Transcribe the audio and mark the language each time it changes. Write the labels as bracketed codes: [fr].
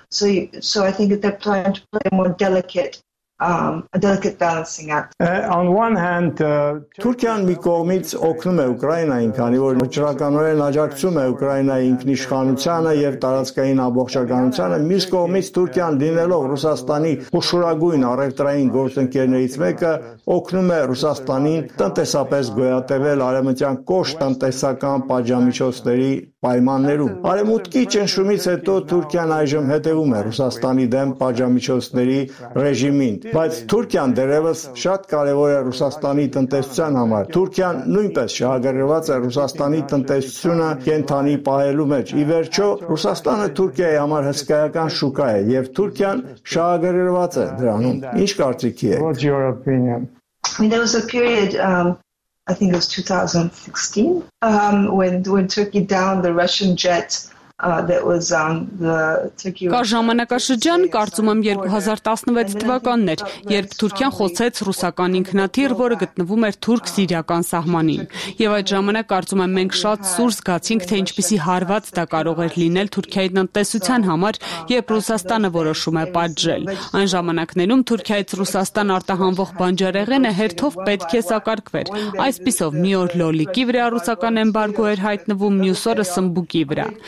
[en] So I think that they're trying to play more delicate [hy] Թուրքիան մի կողմից օգնում է Ուկրաինային, քանի որ վճռականորեն աջակցում է Ուկրաինայի ինքնիշխանությանը եւ տարածքային ամբողջականությանը, մյուս կողմից Թուրքիան, լինելով Ռուսաստանի հուշուրագույն առևտրային գործընկերներից մեկը, օգնում է Ռուսաստանին տնտեսապես գոյատևել արևմտյան կոշտ տնտեսական պատժամիջոցների պայմաններում։ Արևմուտքի ճնշումից հետո Թուրքիան այժմ հետևում է Ռուսաստանի դեմ պատժամիջոցների ռեժիմին, բայց Թուրքիան դեռևս շատ կարևոր է Ռուսաստանի տնտեսության համար։ Թուրքիան նույնպես շահագրգռված է Ռուսաստանի տնտեսությունը կենթանի պահելու մեջ։ Ի վերջո, Ռուսաստանը Թուրքիայի համար հսկայական շուկա է, և Թուրքիան շահագրգռված է դրանում։ Ինչ կարծիքի եք։ [en] What's your opinion? I mean, there was a period I think it was 2016 when Turkey downed the Russian jet. [hy] Կար ժամանակաշրջան, կարծում եմ 2016 թվականներ, երբ Թուրքիան խոցեց ռուսական ինքնաթիռ, որը գտնվում էր թուրք-սիրիական սահմանին, եւ այդ ժամանակ կարծում եմ մենք շատ սուր զգացինք, թե ինչպեսի հարված դա կարող էր լինել Թուրքիայի տնտեսության համար, երբ Ռուսաստանը որոշում է պատժել։ Այն ժամանակներում Թուրքիայից Ռուսաստան արտահանվող բանջարեղենը հերթով պետք է սակարկվեր, այսպիսով մի օր լոլիկի վրա ռուսական էմբարգո էր հայտնվում, մյուս օրը սմբուկի վրա։